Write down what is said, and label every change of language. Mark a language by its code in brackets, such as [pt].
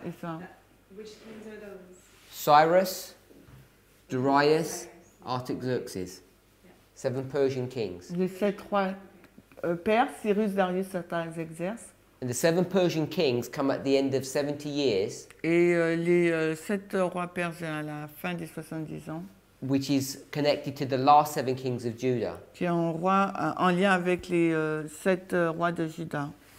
[fr] Et ça. [en] Which kings are those? Cyrus, Darius, Artaxerxes. Yeah. Seven Persian kings. [fr] Les sept rois pères, Cyrus, Darius, Artaxerxes. [en] And the seven Persian kings come at the end of 70 years. [fr] Et les sept rois pères à la fin des 70 ans. [en] Which is connected to the last seven kings of Judah. [fr] Qui est en lien avec les sept rois de Juda.